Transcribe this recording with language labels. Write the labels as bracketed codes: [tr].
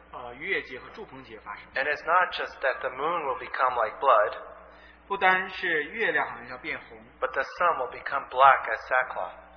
[en] And it's not just that the moon will become like blood, [zh] 不单是月亮好像要变红, [en] but the sun will become black as sackcloth.